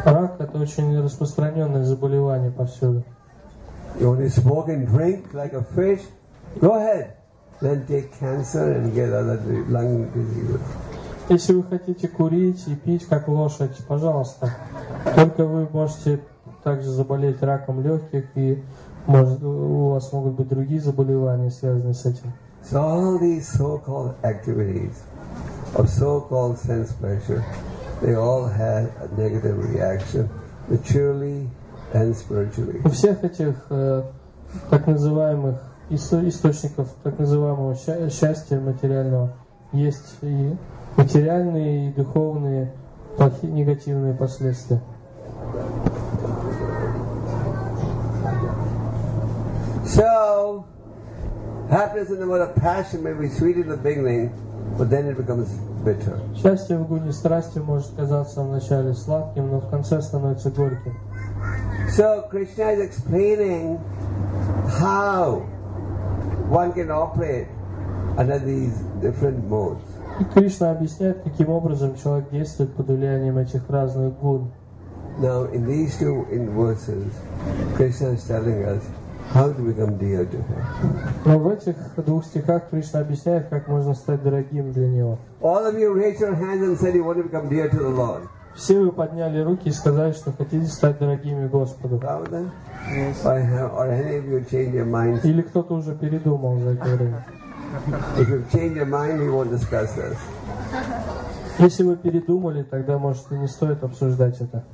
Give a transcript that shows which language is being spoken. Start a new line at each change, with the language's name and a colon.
Russian: Рак – это очень распространенное заболевание повсюду.
English: You only smoke and drink like a fish. Go ahead, then take cancer and get other lung diseases.
Russian: Если вы хотите курить и пить как лошадь, пожалуйста. Только вы можете также заболеть раком легких, и может у вас могут быть другие заболевания, связанные с этим.
English: So all these so-called activities of so-called sense pleasure, they all have a negative reaction, naturally and spiritually.
Russian: У всех этих так называемых источников так называемого счастья материального есть и материальные, и духовные плохие, негативные последствия.
English: So, happiness in the world of passion may be sweet in the beginning, but then it becomes bitter.
Russian: Счастье в гуне страсти может казаться вначале сладким, но в конце становится горьким.
English: So, Krishna is explaining how one can operate under these different modes.
Russian: И Кришна объясняет, каким образом человек действует под влиянием этих разных гун.
English: Now, in these two verses, Krishna is telling us how to become dear to him.
Russian: Но в этих двух стихах Кришна объясняет, как можно стать дорогим для него.
English: All of you raised your hands and said you want to become dear to the Lord.
Russian: Все вы подняли руки и сказали, что хотите стать дорогими Господу. Правда?
English: Yes. Or any of you change your mind?
Russian: Или кто-то уже передумал за это время?
English: If you change your mind, we won't discuss this.
Russian: Если вы передумали, тогда, может, и не стоит обсуждать это.